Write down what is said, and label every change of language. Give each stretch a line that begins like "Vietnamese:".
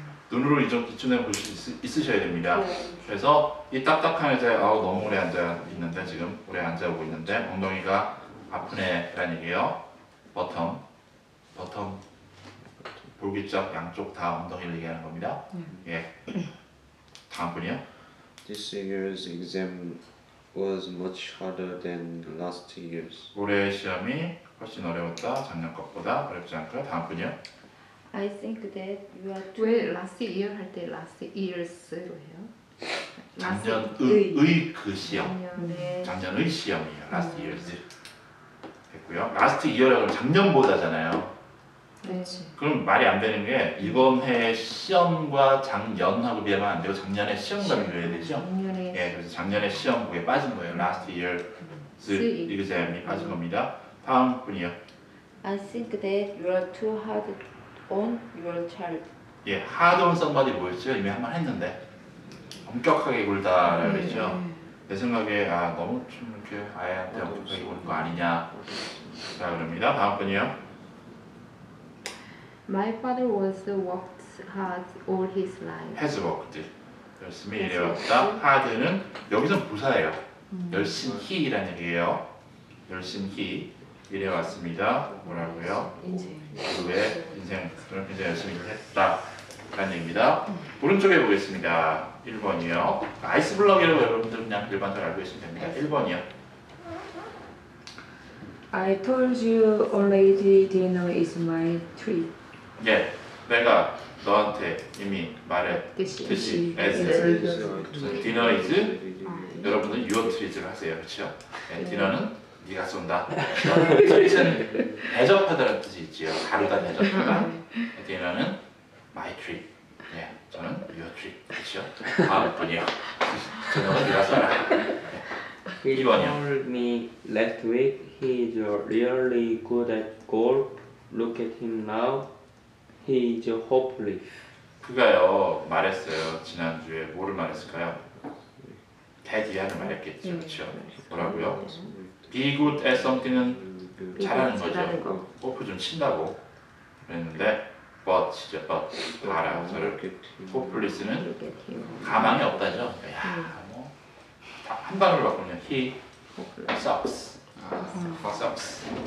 Korean: 눈으로 이 정도 기준해 볼 수 있으셔야 됩니다. 그래서 이 딱딱한 애들 아우 너무 오래 앉아 있는데 지금 오래 앉아 오고 있는데 엉덩이가 아프네라는 얘기예요.
English: bottom.
Korean: 볼기짝 양쪽 다 엉덩이를 얘기하는 겁니다. 예. 다음 분이요.
English: This year's exam was much harder than last year's.
Korean: 올해 시험이 훨씬 어려웠다. 작년 것보다 어렵지 않고요. 다음 분이요.
English: I think that you are too...
Korean: 왜 last year 할 때 last year's로 해요? 작년의 그 시험. 작년의 시험이에요. last year's. 됐고요. last year라고 작년보다잖아요. 그렇지. 그럼 말이 안 되는 게 이번 해 시험과 작년하고 비하면 안 되고 작년에 시험과 비교해야 되죠? 작년에. 예, 그래서 작년에 시험 그게 빠진 거예요. Last year's exam이 빠진 겁니다. 다음 분이요.
English: I think that you are too hard on your child. 예, hard on somebody 뭐였죠?
Korean: 이미 한 번 했는데 엄격하게 굴다라고 했죠. 내 생각에 아 너무 좀 이렇게 아이한테 엄격하게 굴 거 아니냐. 자, 그럽니다. 다음 분이요.
English: My father was worked hard all his life. Has worked.
Korean: 열심히 일해왔다. Hard는 여기서 부사예요. 열심히라는 얘기예요. 열심히 일해왔습니다. 뭐라고요? 인생. 그 외 인생 그런 이제 열심히 일했다라는 얘기입니다. 오른쪽에 보겠습니다. 1번이요. 아이스블럭이라고 여러분들 그냥 일반적으로 알고 계시면 됩니다. 1번이요.
English: I told you already dinner is my treat.
Korean: 예, 내가 너한테 이미 말했듯이 as is.
English: Dinner is 여러분들 your treat를 하세요, 그렇죠?
Korean: 네, 네. Dinner는 네가 쏜다. treat은 대접하다는 뜻이 있지요. 다르다 대접하다. Dinner는 my treat. 예, 저는 your treat, 그렇죠? 다음 분이요. 저는 네가 쏴라. 2번이요.
English: He told me last week he is really good at golf. Look at him now. He is hopeless.
Korean: 그가요 말했어요. 지난주에 뭐를 말했을까요? 대디하는 말했겠죠. 그렇죠? 뭐라고요? Be good at something은 잘하는 거죠. 골프 좀 친다고 그랬는데 but 진짜 but 봐라 저를 hopeless는 가망이 없다죠. 야, 뭐 한 발을 봤군요.
English: He sucks. What sucks?